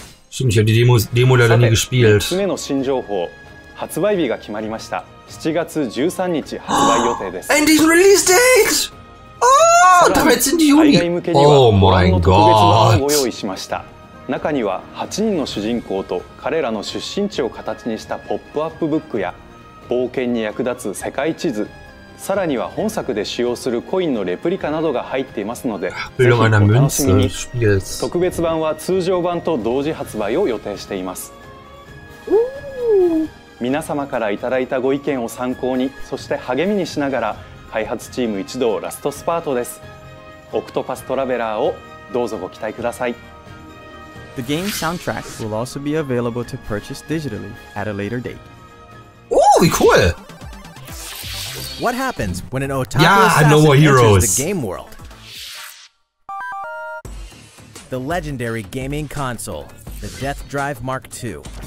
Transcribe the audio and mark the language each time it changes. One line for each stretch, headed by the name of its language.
German: Stimmt, ich habe die Demo leider nie gespielt。
Japanese: さて、3つ目の新情報、発売日が決まりました。 7月13日発売予定です。
German: Endlich
English: release date!
Japanese: 海外向けには、ご覧の特別な本を用意しました。中には8人の主人公と彼らの出身地を形にしたポップアップブックや、冒険に役立つ世界地図、さらには本作で使用するコインのレプリカなどが入っていますので、ぜひお楽しみに。特別版は通常版と同時発売を予定しています。皆様からいただいたご意見を参考に、そして励みにしながら、開発チーム一同ラストスパートです。オクトパストラベラーをどうぞご期待ください。
English: The game soundtrack will also be available to purchase digitally at a later date. Oh, cool! What happens when an otaku assassin enters the game world? The legendary gaming console, the Death Drive Mark II.